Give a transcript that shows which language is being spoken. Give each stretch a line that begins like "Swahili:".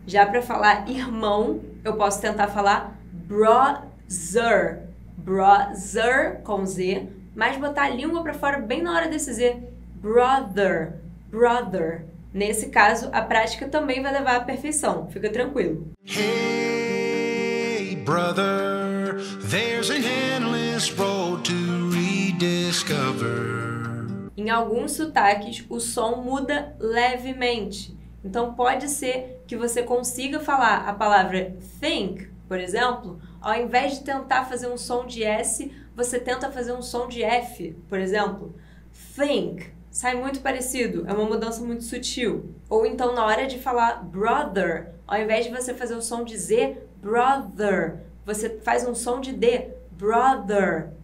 Portuguese: Já para falar irmão, eu posso tentar falar brother, brother com z, mas botar a língua para fora bem na hora desse z, brother, brother. Nesse caso, a prática também vai levar à perfeição, fica tranquilo.
English: Hey, brother, there's an endless road to discover.
Portuguese: Em alguns sotaques, o som muda levemente. Então, pode ser que você consiga falar a palavra think, por exemplo, ao invés de tentar fazer um som de S, você tenta fazer um som de F, por exemplo. Think, Sai muito parecido, é uma mudança muito sutil. Ou então, na hora de falar brother, ao invés de você fazer o som de Z, brother, você faz um som de D, brother.